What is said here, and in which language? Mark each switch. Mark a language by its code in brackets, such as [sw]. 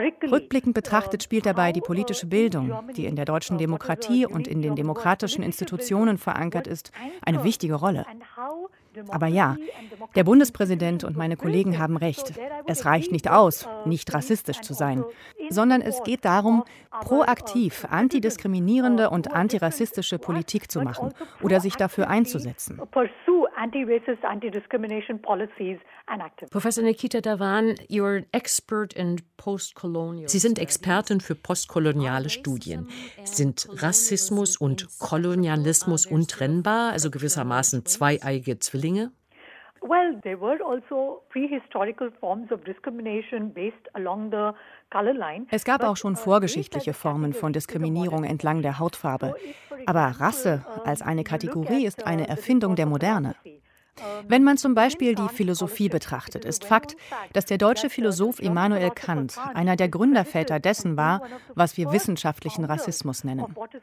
[de] Rückblickend betrachtet spielt dabei die politische Bildung, die in der deutschen Demokratie und in den demokratischen Institutionen verankert ist, eine wichtige Rolle. Aber ja, der Bundespräsident und meine Kollegen haben recht. Es reicht nicht aus, nicht rassistisch zu sein, sondern es geht darum, proaktiv antidiskriminierende und antirassistische Politik zu machen oder sich dafür einzusetzen. [en] Anti-racist, anti-discrimination policies and activism. Professor Nikita Davan, you're an expert in post-colonial. [de] Sie sind Expertin für postkoloniale Studien. Sind Rassismus und Kolonialismus untrennbar, also gewissermaßen zweieiige Zwillinge? [en] Well, there were also prehistorical forms of discrimination based along the. [de] Es gab auch schon vorgeschichtliche Formen von Diskriminierung entlang der Hautfarbe. Aber Rasse als eine Kategorie ist eine Erfindung der Moderne. Wenn man zum Beispiel die Philosophie betrachtet, ist Fakt, dass der deutsche Philosoph Immanuel Kant einer der Gründerväter dessen war, was wir wissenschaftlichen Rassismus nennen.